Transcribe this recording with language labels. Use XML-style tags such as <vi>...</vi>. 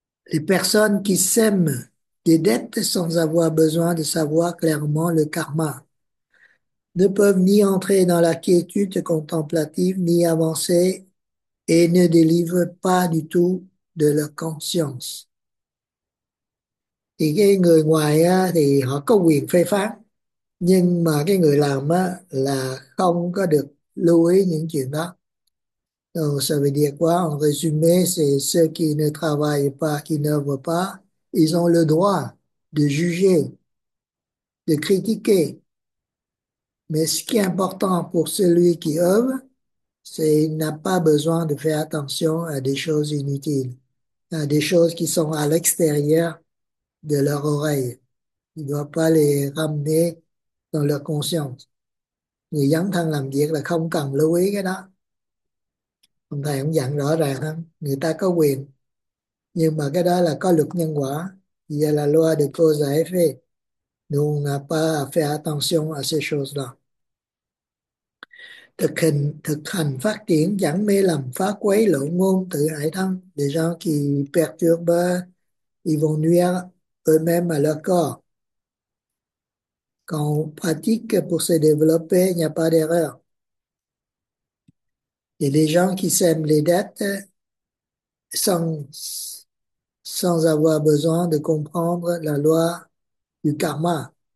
<fr>Les personnes qui sèment des dettes sans avoir besoin de savoir clairement le karma ne peuvent ni entrer dans la quiétude contemplative ni avancer et ne délivrent pas du tout de leur conscience.</fr> <vi>Thì cái người ngoài á, thì họ có quyền phê phán, nhưng mà cái người làm á, là không có được lưu ý những chuyện đó.</vi> <fr>Donc, ça veut dire quoi? En résumé, c'est ceux qui ne travaillent pas, qui n'œuvrent pas, ils ont le droit de juger, de critiquer. Mais ce qui est important pour celui qui œuvre, c'est qu'il n'a pas besoin de faire attention à des choses inutiles, à des choses qui sont à l'extérieur de leur oreille. Il ne doit pas les ramener dans leur conscience.</fr> <vi>Người dấn thân làm việc là không cần lưu ý cái đó. Ông thầy cũng dặn rõ ràng hơn, người ta có quyền nhưng mà cái đó là có luật nhân quả, vậy là</vi> <fr>loi de cause à effet, nous on n'a pas à faire attention à ces choses-là.</fr> <vi>Thực hành phát triển chẳng mê lầm, phá quấy, loạn ngôn, tự hại thân.</vi> <fr>Des gens qui perturbent, ils vont nuire eux-mêmes à leur corps. Quand on pratique pour se développer, il n'y a pas d'erreur. Et les gens qui sèment les dettes sans avoir besoin de comprendre la loi du karma.</fr>